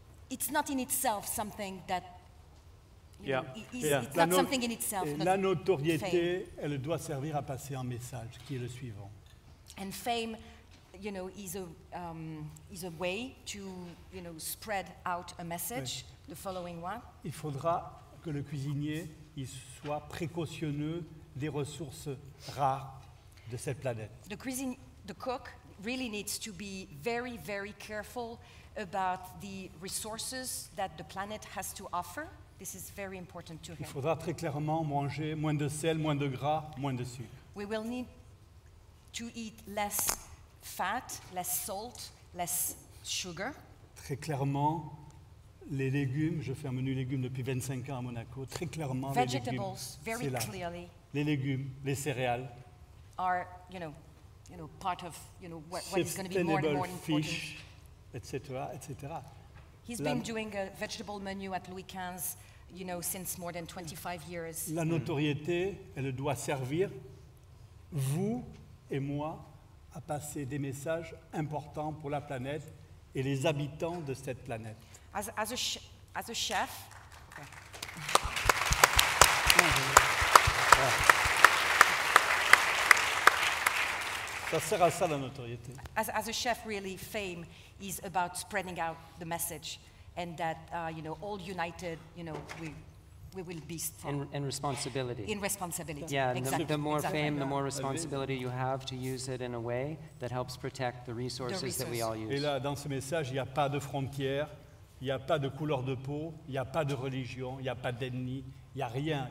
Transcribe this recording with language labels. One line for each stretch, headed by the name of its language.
English: It's not in itself something that, it's not something in itself.
French: La notoriété, elle doit servir à passer un message, qui est le suivant.
English: And fame, you know, is a way to, you know, spread out a message, the following one.
French: Il faudra que le cuisinier il soit précautionneux des ressources rares de cette planète.
English: The cook really needs to be very, very careful about the resources that the planet has to offer. This is very important to him.
French: Il faudra très clairement manger moins de sel, moins de gras, moins de sucre.
English: We will need to eat less fat, less salt, less sugar.
French: Très clairement, les légumes, je fais un menu légumes depuis 25 ans à Monaco, très clairement,
English: vegetables,
French: les légumes,
English: very clearly,
French: les légumes, les céréales,
English: are, you know, part of, you know, what is going to be more and more important. Sustainable fish, etc., etc. He's been doing a vegetable menu at Louis XV, you know, since more than 25 years.
French: La notoriété, elle doit servir vous et moi à passer des messages importants pour la planète et les habitants de cette planète.
English: As a chef, okay.
French: Ça sert à ça la notoriété.
English: As a chef, really, fame is about spreading out the message, and that you know, all united, you know, we will be. And responsibility. In responsibility. Yeah, exactly. the more fame, the more responsibility you have to use it in a way that helps protect the resources that we all use.
French: Et là, dans ce message, il n'y a pas de frontières, il n'y a pas de couleur de peau, il n'y a pas de religion, il n'y a pas d'ethnie, il n'y a rien.